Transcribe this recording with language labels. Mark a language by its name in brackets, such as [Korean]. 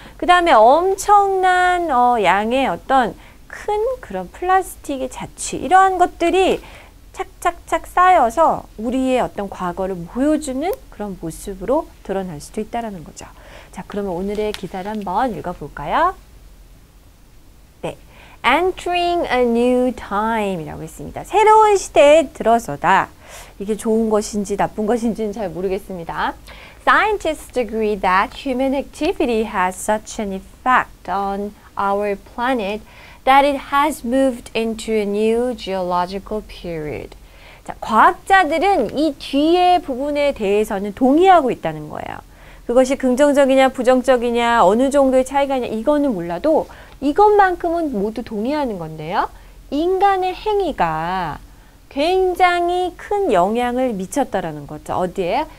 [Korean] 그 다음에 엄청난 양의 어떤 큰 그런 플라스틱의 자취 이러한 것들이 착착착 쌓여서 우리의 어떤 과거를 보여주는 그런 모습으로 드러날 수도 있다라는 거죠. 자, 그러면 오늘의 기사를 한번 읽어볼까요? [English] Entering a new time이라고 [Korean] 했습니다. 새로운 시대에 들어서다. 이게 좋은 것인지 나쁜 것인지는 잘 모르겠습니다. [English] Scientists agree that human activity has such an effect on our planet that it has moved into a new geological period. [Korean] 자, 과학자들은 이 뒤에 부분에 대해서는 동의하고 있다는 거예요. 그것이 긍정적이냐 부정적이냐 어느 정도의 차이가냐 이거는 몰라도 이것만큼은 모두 동의하는 건데요. 인간의 행위가 굉장히 큰 영향을 미쳤다라는 거죠. 어디에?